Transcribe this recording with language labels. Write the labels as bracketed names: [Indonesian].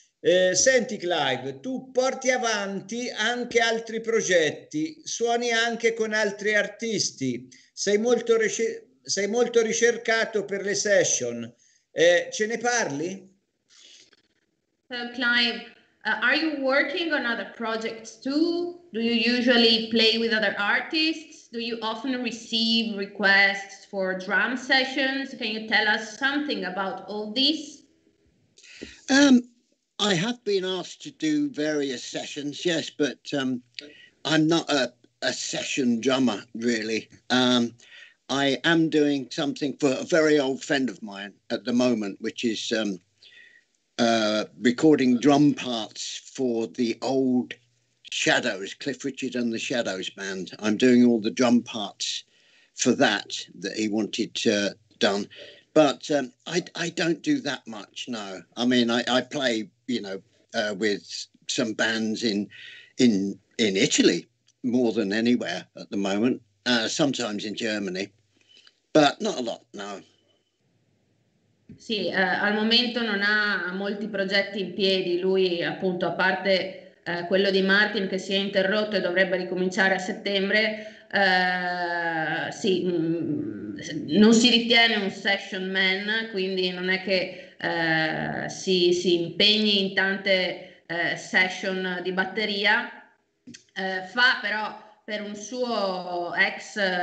[Italian] Senti Clive, tu porti avanti anche altri progetti, suoni anche con altri artisti, sei molto ricercato per le session, ce ne parli? [English] So Clive, are you working on other projects too? Do you usually play with other artists? Do you often receive requests for drum sessions? Can you tell us something about all this? I have been asked to do various sessions, yes, but I'm not a session drummer, really. I am doing something for a very old friend of mine at the moment, which is recording drum parts for the old Shadows, Cliff Richard and the Shadows band. I'm doing all the drum parts for that he wanted done. But I don't do that much, no. I mean, I play, you know, with some bands in Italy more than anywhere at the moment, sometimes in Germany, but not a lot, no. [Italian] Sì, al momento non ha molti progetti in piedi, lui appunto, a parte quello di Martin che si è interrotto e dovrebbe ricominciare a settembre, sì, non si ritiene un session man, quindi non è che si impegni in tante session di batteria, fa però per un suo ex